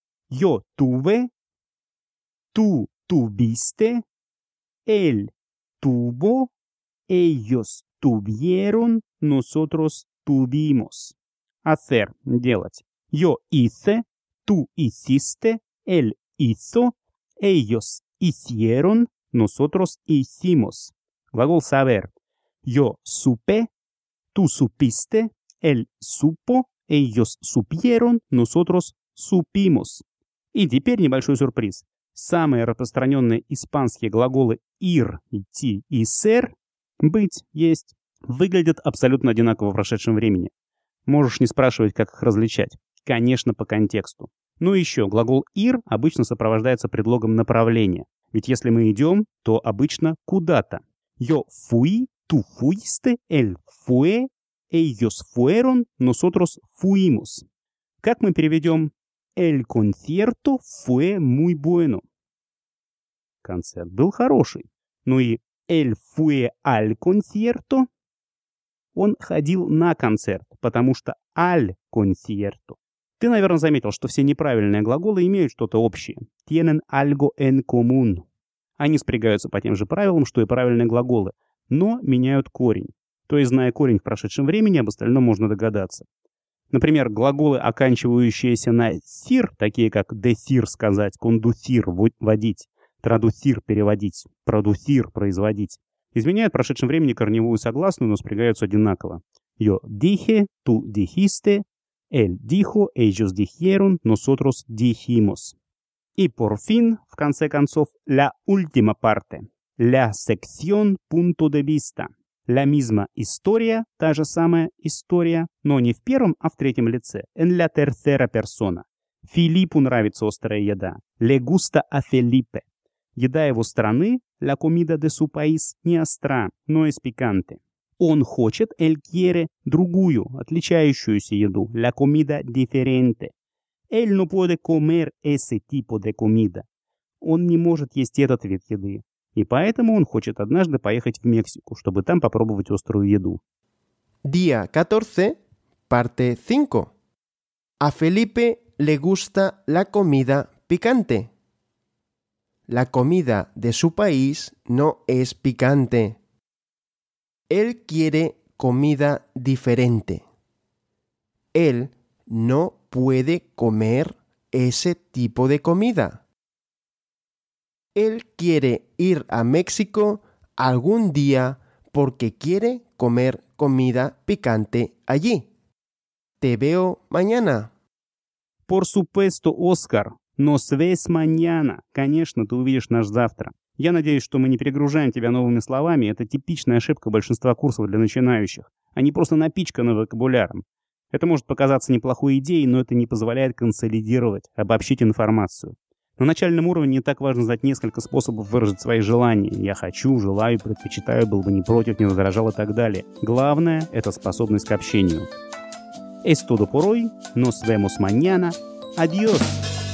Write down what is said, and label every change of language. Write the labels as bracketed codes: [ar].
[es] Yo tuve. Tú tuviste. Él tuvo. Ellos tuvieron. Nosotros tuvimos. Hacer – делать. Yo hice. Tú hiciste. Él hizo. Ellos hicieron, nosotros hicimos. [ru] Глагол saber. [es] Yo supe, tú supiste, él supo, ellos supieron, nosotros supimos. [ru] И теперь небольшой сюрприз. Самые распространенные испанские глаголы ir, идти и ser, быть, есть, выглядят абсолютно одинаково в прошедшем времени. Можешь не спрашивать, как их различать. Конечно, по контексту. Ну и еще, глагол «ir» обычно сопровождается предлогом направления. Ведь если мы идем, то обычно куда-то. [es] Yo fui, tú fuiste, él fue, ellos fueron, nosotros fuimos. [ru] Как мы переведем [es] «el concierto fue muy bueno»? [ru] Концерт был хороший. Ну и [es] «él fue al concierto»? [ru] Он ходил на концерт, потому что «al concierto». Ты, наверное, заметил, что все неправильные глаголы имеют что-то общее. [es] Tienen algo en común. [ru] Они спрягаются по тем же правилам, что и правильные глаголы, но меняют корень. То есть, зная корень в прошедшем времени, об остальном можно догадаться. Например, глаголы, оканчивающиеся на «сир», такие как «десир» сказать, «кондусир» водить, «традусир» переводить, «продусир» производить, изменяют в прошедшем времени корневую согласную, но спрягаются одинаково. [es] Yo dije, tú dijiste, él dijo, ellos dijeron, nosotros dijimos. И por fin, [ru] в конце концов, [es] la última parte, la sección punto de vista. La misma historia, [ru] та же самая история, но не в первом, а в третьем лице. [es] En la tercera persona. [ru] Филиппу нравится острая еда. [es] Le gusta a Felipe. [ru] Еда его страны, [es] la comida de su país, [ru] не остра, но [es] es picante. [ru] Он хочет, [es] él quiere, [ru] другую, отличающуюся еду, [es] la comida diferente. Él no puede comer ese tipo de comida. [ru] Он не может есть этот вид еды. И поэтому он хочет однажды поехать в Мексику, чтобы там попробовать острую еду. [es] Día 14, parte 5. A Felipe le gusta la comida picante. La comida de su país no es picante. Él quiere comida diferente. Él no puede comer ese tipo de comida. Él quiere ir a México algún día porque quiere comer comida picante allí. Te veo mañana. Por supuesto, Oscar. Nos ves mañana. [ru] Конечно, ты увидишь нас завтра. Я надеюсь, что мы не перегружаем тебя новыми словами. Это типичная ошибка большинства курсов для начинающих. Они просто напичканы вокабуляром. Это может показаться неплохой идеей, но это не позволяет консолидировать, обобщить информацию. На начальном уровне не так важно знать несколько способов выразить свои желания. Я хочу, желаю, предпочитаю, был бы не против, не возражал и так далее. Главное – это способность к общению. [es] Es todo por hoy. Nos vemos mañana. Adiós!